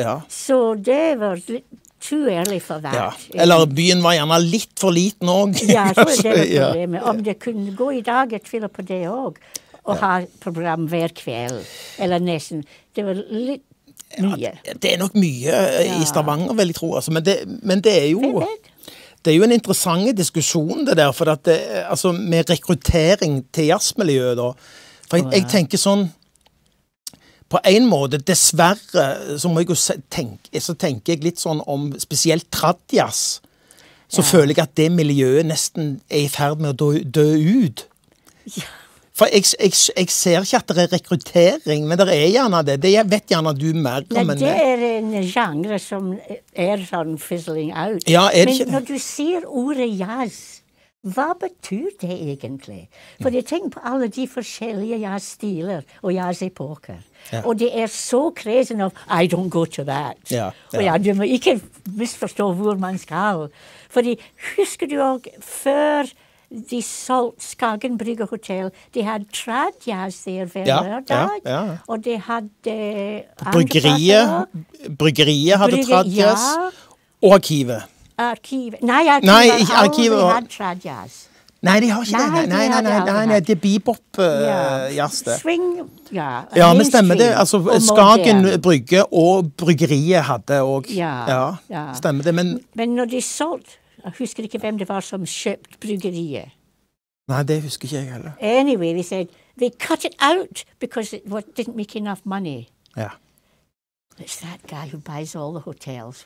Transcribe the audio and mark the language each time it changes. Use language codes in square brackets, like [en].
[no] Ja, så det var litt [en] too early for that. [no] Ja. Eller byen var gjerne litt for liten også. Ja, jeg tror det var problemet. Om det kunne gå i dag, jeg tviler på det også. Og ha program hver kveld. Eller nesten. Det var litt. Ja, det er nok mye i Stavanger, vel, jeg tror, altså. men det er jo en interessant diskusjon det der, for at det, altså, med rekruttering til jazzmiljøet, for jeg tenker sånn, på en måte, dessverre, så må jeg jo tenker jeg litt sånn om spesielt tradjazz, så føler jeg at det miljøet nesten er i ferd med å dø ut. Ja. For jeg ser ikke at det er rekruttering, men det er gjerne det. Det vet gjerne du mer om. Nei, det er en genre som er sånn [en] fizzling out. [no] Ja, er det men ikke det? Men når du ser ordet jazz, hva betyr det egentlig? For jeg tenker på alle de forskjellige jazzstiler og jazzepoker. Ja. Og det er så kresen av, [en] I don't go to that. [no] Ja, ja. Og ja, du må ikke misforstå hvor man skal. Fordi husker du også, før de solgte Skagen Brygge Hotel, de hadde trad jazz der hver lørdag, og de hadde Bryggeriet hadde trad jazz, og arkivet. Arkivet de hadde trad jazz. Nei, de har ikke nei, det er bebop jazz det. Swing, ja. Ja, men stemmer det, altså Skagen Brygge og Bryggeriet hadde også. Ja, stemmer det. Men når de solgte, jeg husker ikke hvem det var som kjøpt bryggeriet. Nei, det husker ikke jeg heller. [en] Anyway, they said, they cut it out because it didn't make enough money. [no] Ja. [en] It's that guy who buys all the hotels.